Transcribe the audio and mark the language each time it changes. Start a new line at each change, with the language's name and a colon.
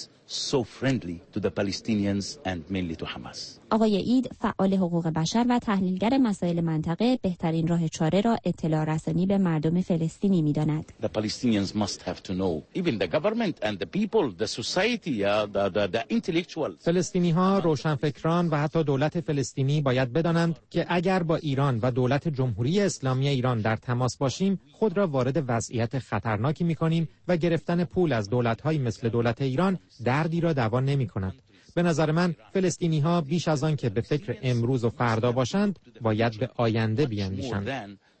English: so friendly to the Palestinians and mainly to Hamas.
Persian: آقای اید فعال حقوق بشر و تحلیلگر مسائل منطقه بهترین راه چاره را اطلاع رسانی به مردم فلسطینی می‌داند.
English: The Palestinians must have to know, even the government and the people, the society, the intellectuals.
Persian: فلسطینی‌ها، روشنفکران و حتی دولت فلسطینی باید بدانند که اگر با ایران و دولت جمهوری اسلامی ایران در تماس باشیم، خود را وارد وضعیت خطرناکی می‌کنیم و گرفتن پول از دولت‌های مثل دولت ایران دردی را دوا نمی‌کند. به نظر من فلسطینی ها بیش از آن که به فکر امروز و فردا باشند باید به آینده بیاندیشند.